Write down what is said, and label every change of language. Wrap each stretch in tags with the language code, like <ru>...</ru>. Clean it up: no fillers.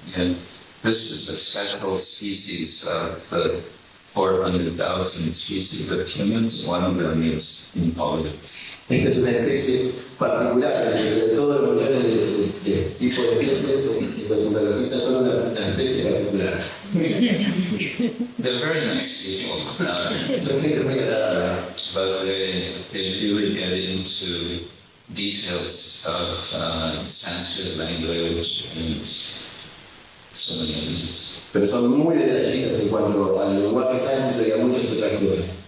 <en>And this is a special species of the 400,000 species of humans, one of them is Indologists.</en> <es>Esta es una especie particular, de todos los millones de tipos de especies, pues los indígenas son una especie particular.</es> <en>They're very nice people.</en> <es>Son gente muy agradable.</es> <en>But they really get into details of Sanskrit language and synonyms.</en> <es>Pero son muy detallistas en cuanto al lenguaje sánscrito y a muchas otras cosas.</es>